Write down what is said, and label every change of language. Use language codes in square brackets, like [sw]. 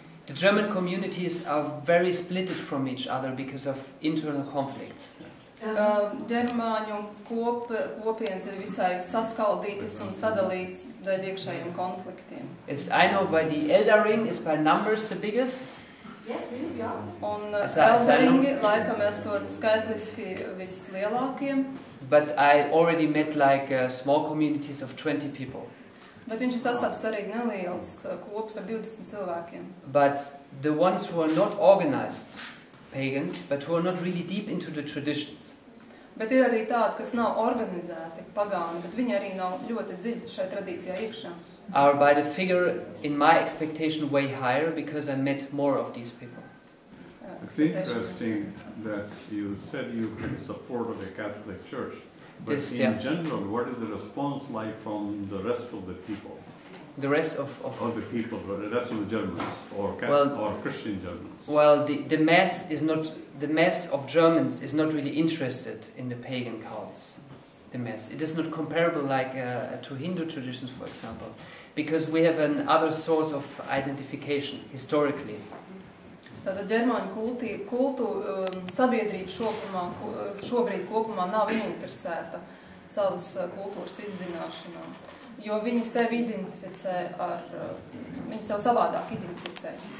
[en] The German communities are very split from each other because of internal conflicts. [lv] Germāņu kopienas ir visai saskaldītas un sadalītas daļ iekšējiem konfliktiem. [en] As I know, by the Elder Ring is by numbers the biggest. Yes, really, yeah. [lv] Un Elder Ring laikam esot skaitliski vislielākiem. [en] But I already met like small communities of 20 people. [lv] Bet viņš ir sastāps arī neliels kops ar 20 cilvēkiem. [en] But the ones who are not organized pagans, but who are not really deep into the traditions. [lv] Bet ir arī tādi, kas nav organizēti pagāni, bet viņi arī nav ļoti dziļi šai tradīcijā iekšā. [en] Are by the figure in my expectation way higher because I met more of these people. It's interesting that you said you support the Catholic Church. But this, in general, what is the response like from the rest of the people? The rest of the people, the rest of the Germans, or Catholic, well, or Christian Germans? Well, the mass of Germans is not really interested in the pagan cults. The mass, it is not comparable like to Hindu traditions, for example, because we have an other source of identification historically. [lv] Tātad ģermāņu sabiedrība šobrīd kopumā nav ieinteresēta savas kultūras izzināšanā, jo viņi sevi identificē ar, viņi sev savādāk identificē.